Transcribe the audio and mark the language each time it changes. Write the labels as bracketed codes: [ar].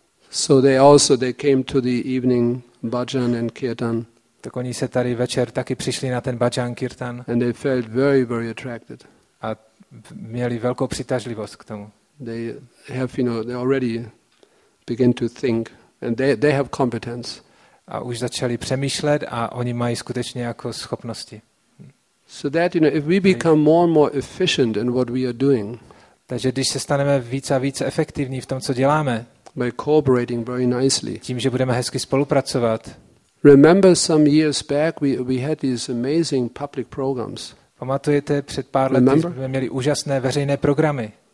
[en] So they came to the evening bhajan and kirtan. [cs] Tak oni se tady večer taky přišli na ten bhajan kirtan. [en] And they felt very, very attracted. [cs] A měli velkou přitažlivost k tomu. [en] They have, you know, they already begin to think, and they have competence. [cs] A už začali přemýšlet a oni mají skutečně jako schopnosti. [en] So that, you know, if we become more and more efficient in what we are doing. [cs] Takže když se staneme více a více efektivní v tom, co děláme. [en] By cooperating very nicely. [cs] Tím, že budeme hezky spolupracovat. [en] Remember some years back we had these amazing public programs. [cs] Pamatujete, před pár lety jsme měli úžasné veřejné programy.